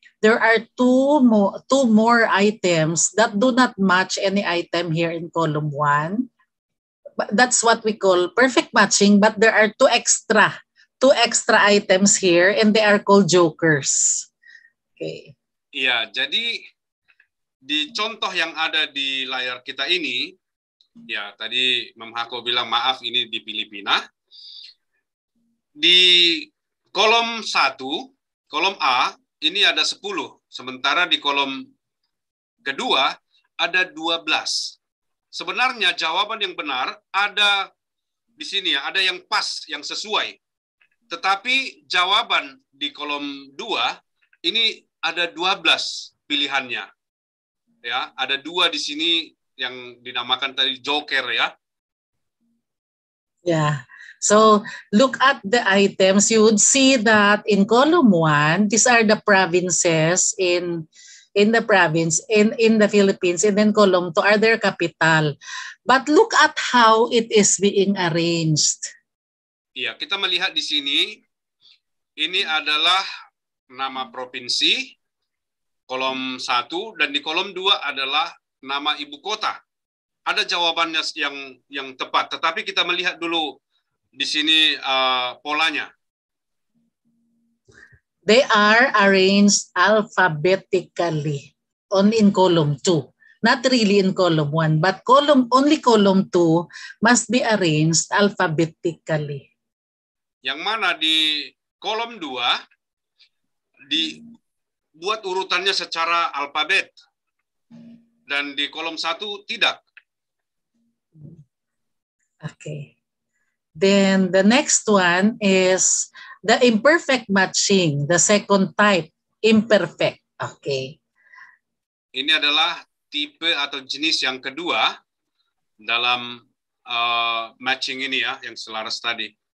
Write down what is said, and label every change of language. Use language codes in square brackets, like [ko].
[en] There are two more items that do not match any item here in column 1. That's what we call perfect matching, but there are two extra items here and they are called jokers. Okay. [id] Iya, jadi di contoh yang ada di layar kita ini, ya tadi Mam Hako bilang maaf ini di Filipina. Di kolom 1, kolom A, ini ada 10. Sementara di kolom kedua ada 12. Sebenarnya jawaban yang benar ada di sini ya, ada yang pas, yang sesuai. Tetapi jawaban di kolom 2 ini ada 12 pilihannya. Ya, ada 2 di sini yang dinamakan tadi joker ya. [en] Yeah. So, look at the items, you would see that in column 1, these are the provinces in the province in the Philippines, and then column 2 are their capital. But look at how it is being arranged. [id] Iya, kita melihat di sini ini adalah nama provinsi kolom 1 dan di kolom 2 adalah nama ibu kota. Ada jawabannya yang tepat, tetapi kita melihat dulu di sini polanya. [en] They are arranged alphabetically only in column 2. Not really in column 1, but only column 2 must be arranged alphabetically. [id] Yang mana di kolom 2 dibuat urutannya secara alfabet dan di kolom 1 tidak. [en] Okay. Then the next one is the imperfect matching, the second type, imperfect. Okay. [id] Ini adalah tipe atau jenis yang kedua dalam matching ini ya yang selaras tadi.